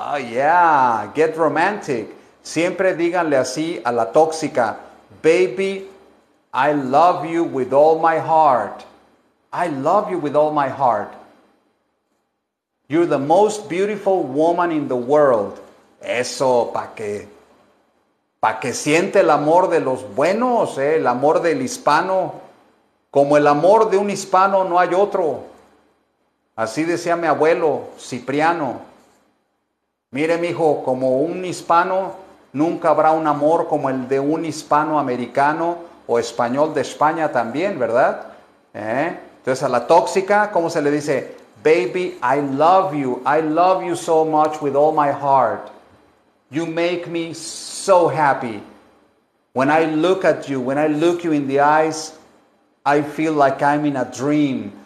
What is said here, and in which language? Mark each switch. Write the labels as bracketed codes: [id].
[en] Yeah, get romantic. [es] Siempre díganle así a la tóxica. [en] Baby, I love you with all my heart. I love you with all my heart. You're the most beautiful woman in the world. [es] Eso, pa' que siente el amor de los buenos, el amor del hispano. Como el amor de un hispano, no hay otro. Así decía mi abuelo, Cipriano. Mire, mijo, como un hispano, nunca habrá un amor como el de un hispano americano o español de España también, ¿verdad? Entonces, a la tóxica, ¿cómo se le dice? [en] Baby, I love you so much with all my heart. You make me so happy. When I look at you, when I look you in the eyes, I feel like I'm in a dream.